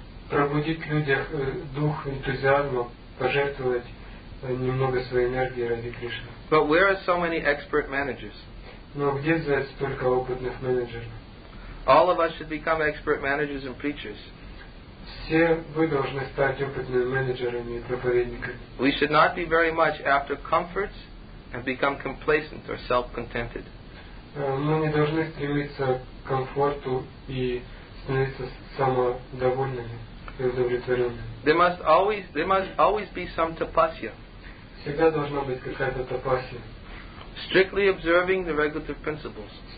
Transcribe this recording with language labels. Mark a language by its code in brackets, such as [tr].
[ru] Пробудить в людях дух энтузиазма, пожертвовать немного своей энергии ради Кришны. [en] But where are so many expert managers? [ru] Но где взять столько опытных менеджеров? [en] All of us should become expert managers and preachers. [ru] Все вы должны стать опытными менеджерами и проповедниками. [en] We should not be very much after comforts and become complacent or self-contented. [ru] мы не должны стремиться к комфорту и становиться самодовольными и удовлетворенными. [en] There must always be some tapasya. [ru] Всегда должна быть какая-то тапасья. [en] Strictly observing the regulative principles.